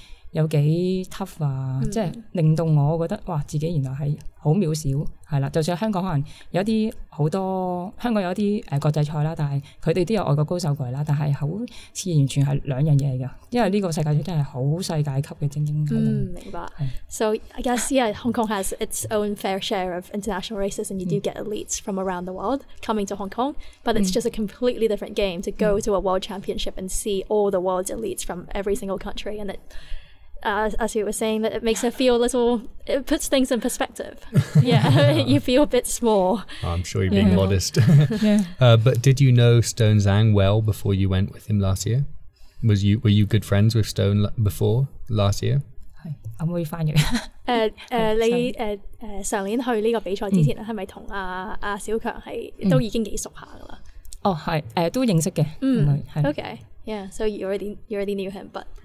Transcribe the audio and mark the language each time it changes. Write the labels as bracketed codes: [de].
[yue] 有幾 tough 啊，即係令到我覺得哇，自己原來係好渺小，係啦。就算香港可能有啲好多香港有啲國際賽啦，但係佢哋都有外國高手過嚟啦，但係好似完全係兩樣嘢嚟㗎。因為呢個世界賽真係好世界級嘅精英。明白。 [en] So I guess yeah, Hong Kong has its own fair share of international races, and you do get elites from around the world coming to Hong Kong. But it's just a completely different game to go to a world championship and see all the world's elites from every single country, and it. As you were saying, that it makes her feel a little, it puts things in perspective. Yeah, you feel a bit small. I'm sure you're being modest. Yeah. But did you know Stone Zhang well before you went with him last year? Were you good friends with Stone before last year? Hi, I'm going to find you. [yue] 上年去这个比赛之前，是不是跟小强都已经几熟下了？哦，是，都认识的。 [en] Okay, yeah, so you already knew him, but...